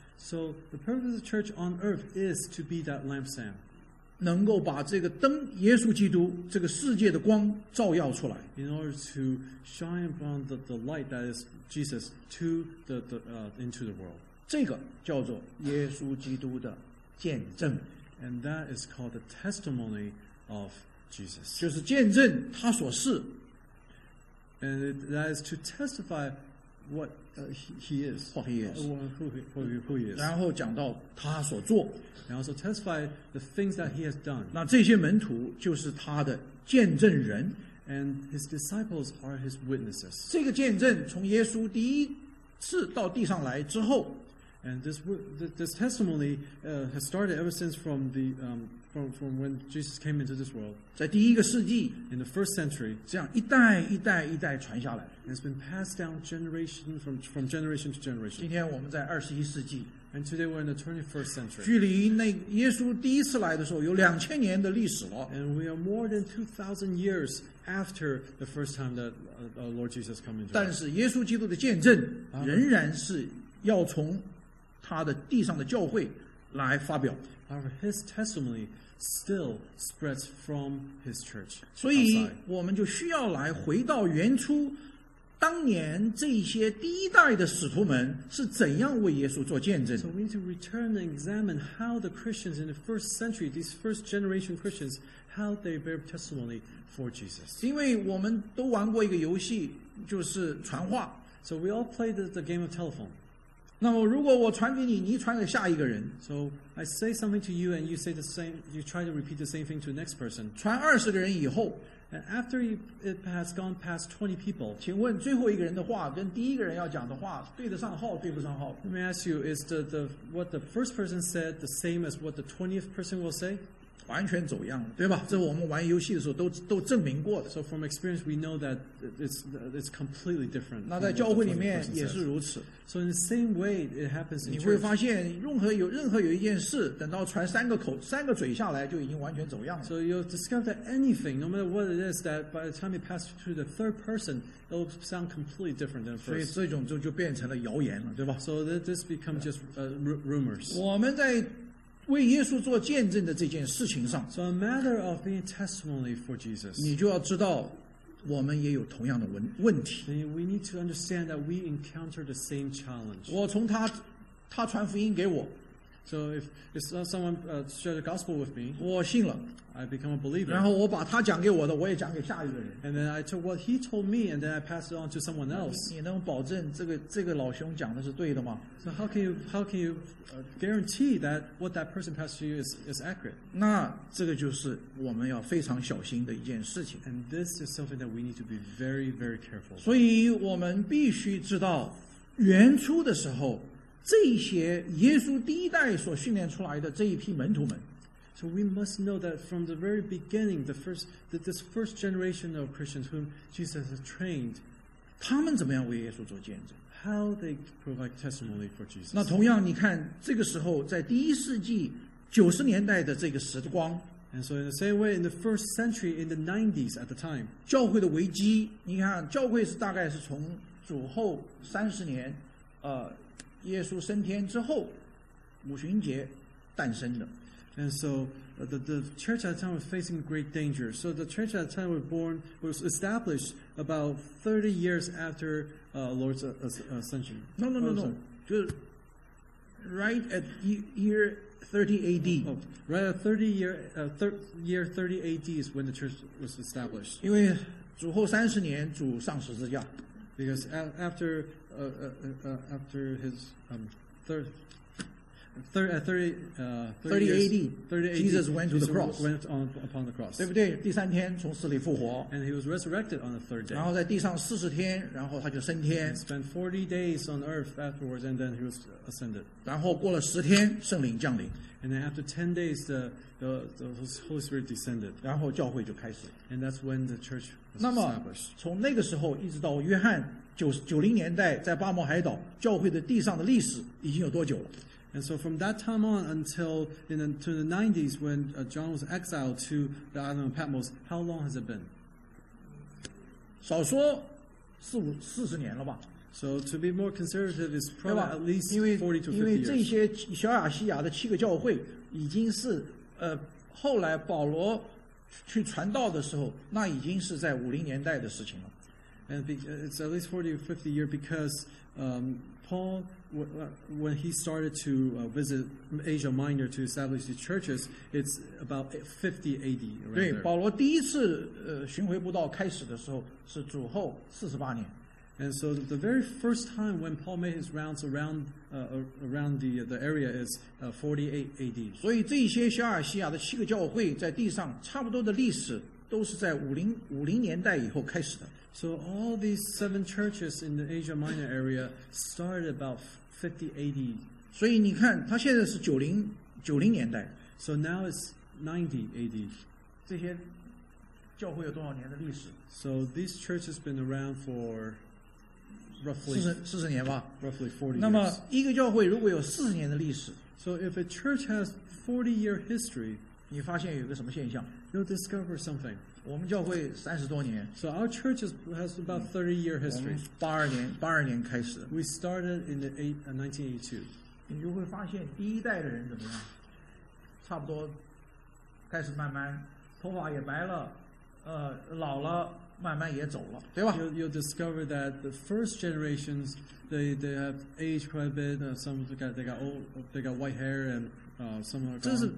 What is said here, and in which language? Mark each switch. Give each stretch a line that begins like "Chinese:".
English: So the purpose of the church on earth is to be that lampstand.
Chinese: 能够把这个灯,耶稣基督,这个世界的光照耀出来。
English: In order to shine upon the light that is Jesus to into the world.
Chinese: 这个叫做耶稣基督的见证。
English: And that is called the testimony of Jesus.
Chinese: 就是见证他所是。
English: And that is to testify what he is. What he is. Who he is.
Chinese: 然后讲到他所做。
English: And also testify the things that he has done.
Chinese: 那这些门徒就是他的见证人。
English: And his disciples are his witnesses.
Chinese: 这个见证从耶稣第一次到地上来之后
English: And this testimony has started ever since from the from when Jesus came into this world.
Chinese: 在第一个世纪
English: in the first century,
Chinese: 这样一代一代一代传下来
English: and it's been passed down generation from generation to generation.
Chinese: 今天我们在二十一世纪
English: and today we're in the 21st century.
Chinese: 距离那耶稣第一次来的时候有两千年的历史了
English: and we are more than 2,000 years after the first time that our Lord Jesus came into.
Chinese: 但是耶稣基督的见证仍然是要从他的地上的教会来发表。
English: However, his testimony still spreads from his church.
Chinese: 所以我们就需要来回到原初，当年这些第一代的使徒们是怎样为耶稣做见证。
English: So we need to return and examine how the Christians in the first century, these first generation Christians, how they bear testimony for Jesus.
Chinese: 因为我们都玩过一个游戏，就是传话。
English: So we all played the game of telephone.
Chinese: 那么如果我传给你你传给下一个人
English: So I say something to you and you say the same you try to repeat the same thing to the next person
Chinese: 传二十个人以后
English: and after it has gone past 20 people
Chinese: 请问最后一个人的话跟第一个人要讲的话对得上号对不上号
English: Let me ask you is what the first person said the same as what the 20th person will say
Chinese: 完全走样了，对吧？这我们玩游戏的时候都证明过的。
English: So from experience, we know that it's completely different.
Chinese: 那在教会里面也是如此。
English: So in the same way, it happens in church.
Chinese: 你会发现，任何有一件事，等到传三个嘴下来，就已经完全走样了。
English: So you'll discover that anything, no matter what it is, that by the time it passes through the third person, it'll sound completely different than first.
Chinese: 所以这种就变成了谣言了，对吧
English: ？So this becomes just rumors.
Chinese: 我们在为耶稣做见证的这件事情上
English: So a matter of being testimony for Jesus
Chinese: 你就要知道我们也有同样的问题
English: We need to understand that we encounter the same challenge
Chinese: 我从他传福音给我
English: So if someone shared the gospel with me
Chinese: 我信了
English: I become a believer
Chinese: 然后我把他讲给我的我也讲给下一个人
English: And then I took what he told me and then I passed it on to someone else
Chinese: 你能保证这个老兄讲的是对的吗
English: So how can you guarantee that what that person passed to you is accurate.
Chinese: 那这个就是我们要非常小心的一件事情。
English: And this is something that we need to be very, very careful.
Chinese: 所以我们必须知道原初的时候这些耶稣第一代所训练出来的这一批门徒们。
English: So we must know that from the very beginning, this first generation of Christians whom Jesus has trained,
Chinese: 他们怎么样为耶稣做见证。
English: How they provide testimony for Jesus.
Chinese: 那同样你看这个时候在第一世纪九十年代的这个时光
English: And so in the same way in the first century in the 90s at the time
Chinese: 教会的危机你看教会是大概是从主后三十年耶稣升天之后五旬节诞生的
English: And so the church at the time was facing great danger. So the church at the time was established about 30 years afterLord's ascension. No. Just right at year 30 AD. Oh, right at 30 year, year 30 AD is when the church was established.
Chinese: 因为主后三十年主上十字架
English: Because after, after his AD, Jesus went to the cross. Went on upon the cross.
Chinese: 对不对？第三天从死里复活。
English: And he was resurrected on the third day.
Chinese: 然后在地上四十天，然后他就升天。
English: He spent 40 days on earth afterwards, and then he was ascended.
Chinese: 然后过了十天，圣灵降临。
English: And then after 10 days, the Holy Spirit descended.
Chinese: 然后教会就开始。
English: And that's when the church was established.
Chinese: 那么从那个时候一直到约翰90年代在巴摩海岛，教会的地上的历史已经有多久了？
English: And so from that time on until to the 90s when John was exiled to the island of Patmos, how long has it been?
Chinese: 少说四十年了吧。
English: So to be more conservative is probably at least 40 to 50 years.
Chinese: 因为这些小亚细亚的七个教会已经是后来保罗去传道的时候那已经是在50年代的事情了。
English: And it's at least 40 or 50 years because Paul, when he started to visit Asia Minor to establish the churches, it's about 50 AD.
Chinese: 对，保罗第一次巡回布道开始的时候是主后48年。
English: And so the very first time when Paul made his rounds around the area is 48 AD.
Chinese: 所以这些小亚细亚的七个教会在地上差不多的历史都是在50年代以后开始的。
English: So all these seven churches in the Asia Minor area started about 50 AD.
Chinese: 所以你看它现在是90年代。
English: So now it's 90 AD.
Chinese: 这些教会有多少年的历史
English: So this church has been around for roughly
Chinese: 40年吧
English: Roughly 40 years.
Chinese: 那么一个教会如果有40年的历史
English: So if a church has 40 year history,
Chinese: 你发现有个什么现象
English: You'll discover something.
Chinese: 我们教会三十多年
English: So our church has about 30 year history
Chinese: 我们八二年开始
English: We started in 1982
Chinese: 你就会发现第一代的人怎么样差不多开始慢慢头发也白了老了慢慢也走了对吧
English: You'll discover that the first generations they have aged quite a bit some of them they got white hair andsome are gone.